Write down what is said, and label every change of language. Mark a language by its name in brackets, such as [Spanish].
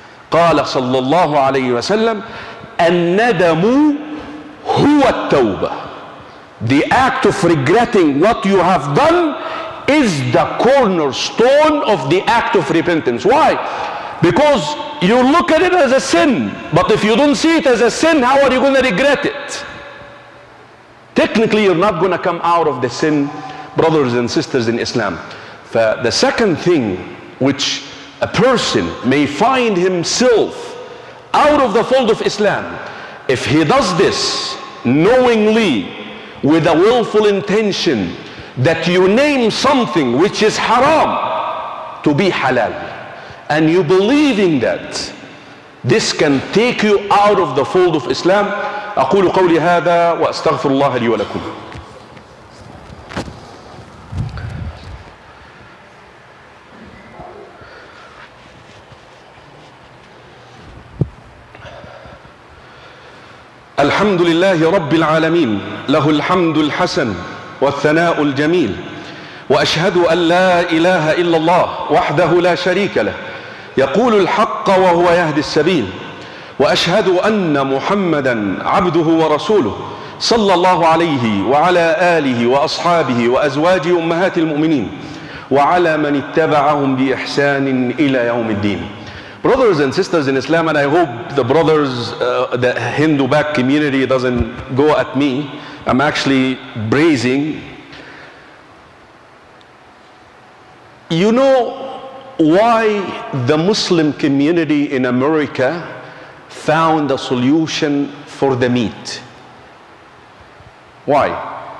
[Arabic] قال صلى الله عليه وسلم الندم هو التوبة. [English] The act of regretting what you have done is the cornerstone of the act of repentance. Why? Because you look at it as a sin, but if you don't see it as a sin, how are you going to regret it? Technically, you're not going to come out of the sin, brothers and sisters in Islam. The second thing which a person may find himself out of the fold of Islam, if he does this knowingly with a willful intention that you name something which is haram to be halal, and you believe in that, this can take you out of the fold of Islam. [Arabic] أقول قولي هذا وأستغفر الله لي ولكم. الحمد لله رب العالمين له الحمد الحسن والثناء الجميل وأشهد أن لا إله إلا الله وحده لا شريك له يقول الحق وهو يهدي السبيل وأشهد أن محمدًا عبده ورسوله صلى الله عليه وعلى آله وأصحابه وأزواجه أمهات المؤمنين وعلى من اتبعهم بإحسان إلى يوم الدين. [English] Brothers and sisters in Islam, and I hope the brothers, the Hindu back community doesn't go at me. I'm actually praising. You know why the Muslim community in America found a solution for the meat? Why?